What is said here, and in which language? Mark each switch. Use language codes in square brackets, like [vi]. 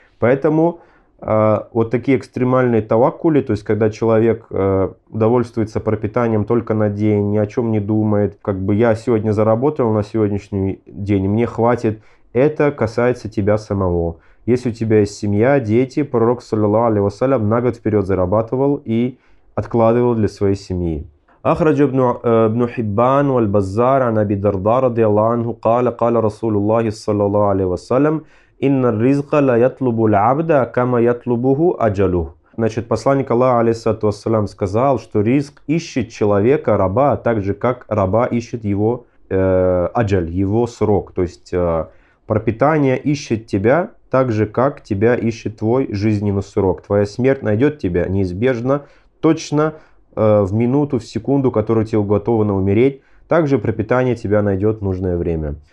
[ru] Поэтому вот такие экстремальные таваккули, то есть когда человек довольствуется пропитанием только на день, ни о чем не думает, как бы я сегодня заработал на сегодняшний день, мне хватит, это касается тебя самого. Если у тебя есть семья, дети, пророк, саллаллаху алейхи вассалям, на год вперед зарабатывал и откладывал для своей семьи. [ar] أخرج ابن حبان والبزار عن أبي الدرداء رضي الله عنه قال قال رسول الله صلى الله عليه وسلم إن الرزق لا يطلب العبد كما يطلبه أجله. [ru] Значит, посланник Аллаха алейхиссалату вассалям сказал, что риск ищет человека, раба, так же как раба ищет его аджаль, его срок. То есть пропитание ищет тебя так же как тебя ищет твой жизненный срок. Твоя смерть найдет тебя неизбежно, точно в минуту, в секунду, которую тебе уготовано умереть, также пропитание тебя найдет в нужное время.